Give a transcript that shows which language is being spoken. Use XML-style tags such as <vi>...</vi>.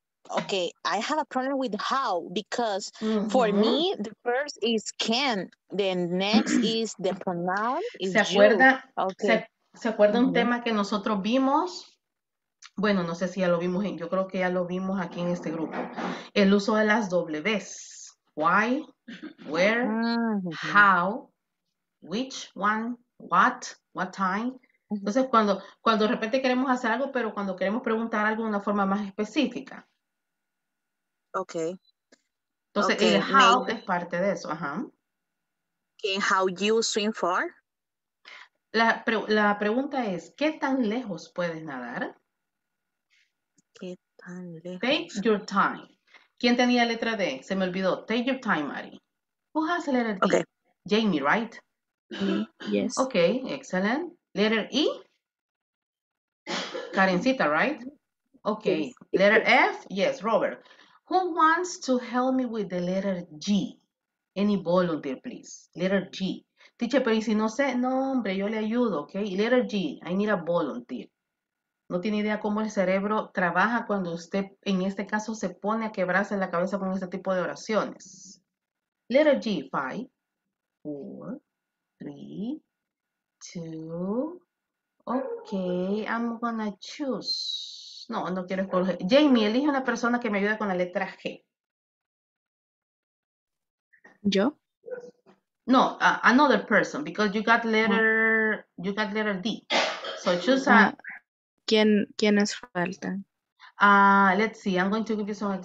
<en>Okay, I have a problem with how, because for me, the first is can, the next is the pronoun. Is</en> <es>¿se acuerda, ¿se acuerda un tema que nosotros vimos? Bueno, no sé si ya lo vimos, yo creo que ya lo vimos aquí en este grupo. El uso de las W's.</es> <en>Why, where, how, which one, what time.</en> <es>Entonces, cuando de repente queremos hacer algo, pero cuando queremos preguntar algo de una forma más específica.</es> <en>Ok.</en> <es>Entonces, okay, el how maybe es parte de eso. Ajá.</es> <en>Can how you swim far?</en> <es>La pregunta es, ¿qué tan lejos puedes nadar? ¿Qué tan lejos?</es> <en>Take your time.</en> <es>¿Quién tenía letra D? Se me olvidó.</es> <en>Take your time, Mari. Who has letter D? Okay. Jamie, right? Yes. Ok, excellent. Letter E? Karencita, right? Ok. Yes. Letter F? Yes, Robert. Who wants to help me with the letter G? Any volunteer, please. Letter G.</en> <es>Teacher, pero si no sé, no, hombre, yo le ayudo, ok?</es> <en>Letter G, I need a volunteer.</en> <es>No tiene idea cómo el cerebro trabaja cuando usted, en este caso, se pone a quebrarse la cabeza con este tipo de oraciones.</es> <en>Letter G, 5, 4, 3, 2, ok, I'm gonna choose.</en> <es>No, no quiero escoger. Jamie, elige una persona que me ayude con la letra G. ¿Yo?</es> <en>No, another person, because you got letter D. So choose a...</en> <es>¿Quiénes faltan?</es> <en>Let's see, I'm going to give you some...</en>